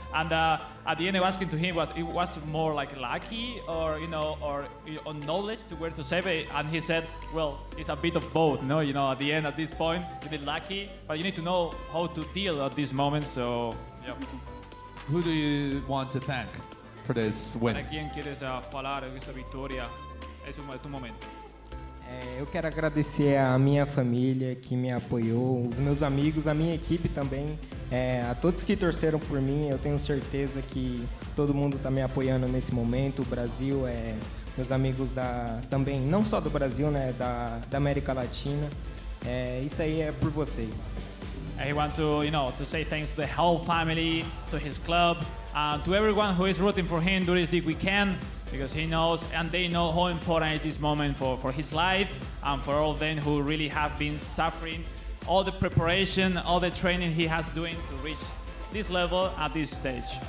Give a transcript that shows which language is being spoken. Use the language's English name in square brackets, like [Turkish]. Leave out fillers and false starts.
[English] And at the end, I was asking to him, it was more like lucky or, you know, or knowledge to where to save it. And he said, well, it's a bit of both, no? You know, at the end, at this point, you did lucky, but you need to know how to deal at this moment, so, yeah. Who do you want to thank for this win? [Spanish] ¿A quién quieres hablar de esta victoria? Es tu momento. [Portuguese] Eu quero agradecer a minha família que me apoiou, os meus amigos, a minha equipe também, a todos que torceram por mim. Eu tenho certeza que todo mundo está me apoiando nesse momento. O Brasil, meus amigos da também, não só do Brasil, né, da América Latina. Isso aí é por vocês. [English] He wants to, you know, to say thanks to the whole family, to his club, to everyone who is rooting for him during this weekend, because he knows and they know how important is this moment for his life and for all them who really have been suffering all the preparation, all the training he has doing to reach this level at this stage.